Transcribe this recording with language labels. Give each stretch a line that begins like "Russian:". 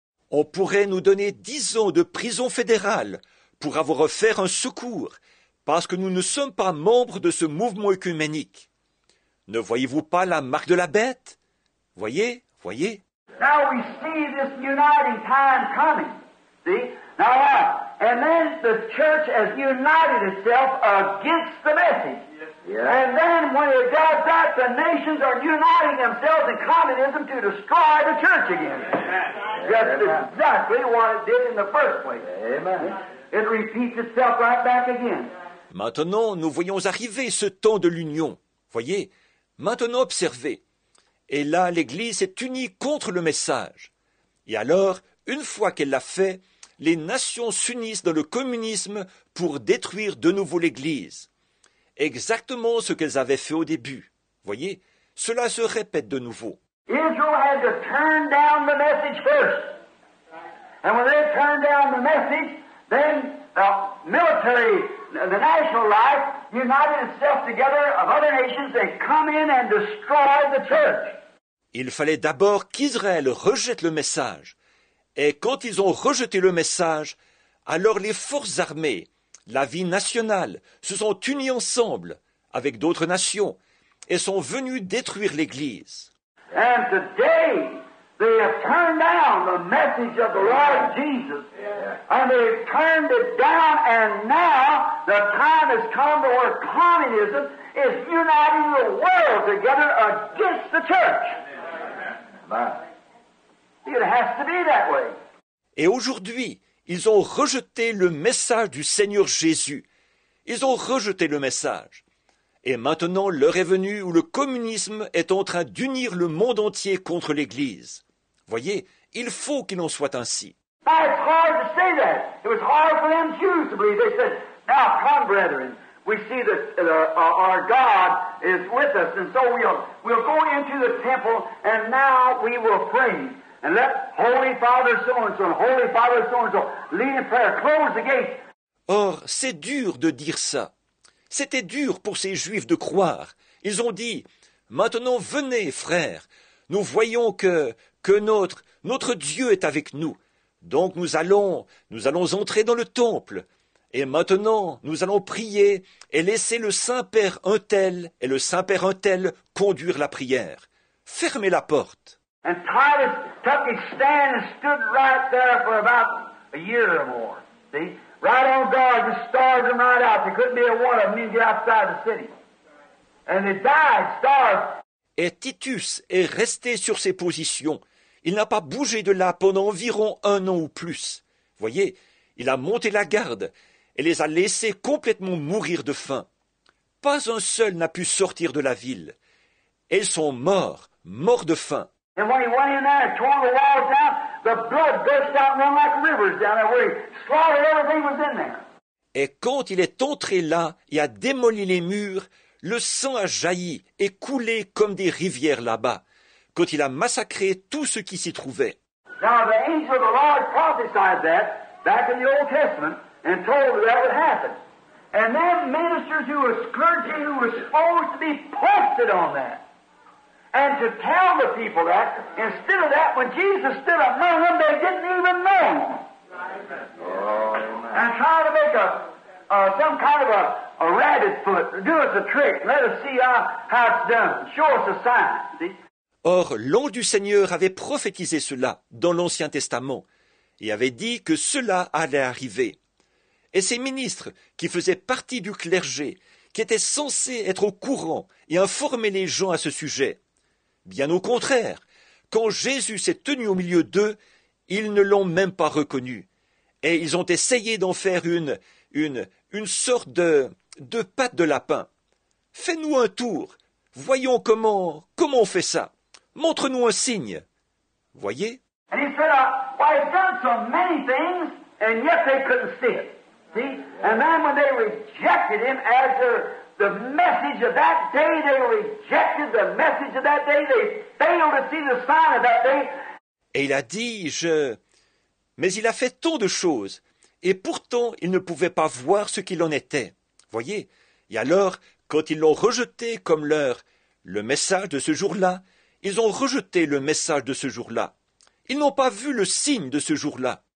French: On pourrait nous donner 10 ans de prison fédérale pour avoir offert un secours, parce que nous ne sommes pas membres de ce mouvement œcuménique. Ne voyez-vous pas la marque de la bête? Voyez, voyez.
English: Now we see this uniting time coming. See? Now what? And then the church has united itself against the message. Yeah. And then when it does that, the nations are uniting themselves in communism to destroy the church again. Yeah. That's exactly what it did in the first place. Amen. It repeats itself right back again.
French: Maintenant, nous voyons arriver ce temps de l'union. Voyez, maintenant observez. Et là, l'Église est unie contre le message. Et alors, une fois qu'elle l'a fait, les nations s'unissent dans le communisme pour détruire de nouveau l'Église. Exactement ce qu'elles avaient fait au début. Voyez, cela se répète de nouveau. Israël a dû
English: turn down the message first. And when they turned down the message, then the military, the national life, united itself together of other nations and come in and destroy the church.
French: Il fallait d'abord qu'Israël rejette le message. Et quand ils ont rejeté le message, alors les forces armées, la vie nationale, se sont unies ensemble avec d'autres nations et sont venues détruire l'Église.
English: And today, they have turned down the message of the Lord Jesus. And they've turned it down, and now the time has come to where communism is uniting the world together against the church. It has to be that way.
French: Et aujourd'hui, ils ont rejeté le message du Seigneur Jésus. Ils ont rejeté le message. Et maintenant, l'heure est venue où le communisme est en train d'unir le monde entier contre l'Église. Voyez, il faut qu'il en soit ainsi.
English: It's hard to say that. It was hard for them Jews to believe. They said, "Now come, brethren, we see that our God is with us, and so we'll go into the temple, and now we will pray, and let Holy Father so and so, Holy Father so and so, lead in prayer, close the gates."
French: Or, c'est dur de dire ça. C'était dur pour ces Juifs de croire. Ils ont dit, "Maintenant, venez, frères. Nous voyons que notre Dieu est avec nous. Donc nous allons entrer dans le temple. Et maintenant, nous allons prier et laisser le Saint-Père un tel et le Saint-Père un tel conduire la prière. Fermez la porte."
English: And Titus took his stand and stood right there for about a year or more. See? Right on guard, just starved them right out. There couldn't be a one of them to get outside the city. And they died, starved.
French: Et Titus est resté sur ses positions. Il n'a pas bougé de là pendant environ un an ou plus. Voyez, il a monté la garde et les a laissés complètement mourir de faim. Pas un seul n'a pu sortir de la ville. Et ils sont morts, morts de faim.
English: And when he went in there and tore the walls down, the blood gushed out and ran like rivers down there where he slaughtered everything was in there.
French: Et quand il est entré là et a démoli les murs, le sang a jailli et coulé comme des rivières là-bas, quand il a massacré tout ce qui s'y trouvait.
English: Now the angel of the Lord prophesied that back in the Old Testament and told that would happen. And then ministers who were clergy who were supposed to be posted on that and to tell the people that, instead of that, when Jesus stood up among them, they didn't even know him. Oh, and try to make some kind of a rabbit foot. Do us a trick. Let us see how it's done. Show us a sign. See?
French: Or, l'ange du Seigneur avait prophétisé cela dans l'Ancien Testament et avait dit que cela allait arriver. Et ces ministres, qui faisaient partie du clergé, qui étaient censés être au courant et informer les gens à ce sujet, bien au contraire, quand Jésus s'est tenu au milieu d'eux, ils ne l'ont même pas reconnu. Et ils ont essayé d'en faire une sorte de patte de lapin. Fais-nous un tour, voyons comment on fait ça. Montre-nous un signe. Voyez.
English: And he said, well, I've done so many things, and yet they couldn't see it. See? And then when they rejected him as the message of that day, they rejected the message of that day. They failed to see the sign of that day.
French: Et il a dit, Mais il a fait tant de choses, et pourtant ils ne pouvaient pas voir ce qu'il en était. Voyez, et alors, quand ils l'ont rejeté comme leur, le message de ce jour-là, ils ont rejeté le message de ce jour-là. Ils n'ont pas vu le signe de ce jour-là.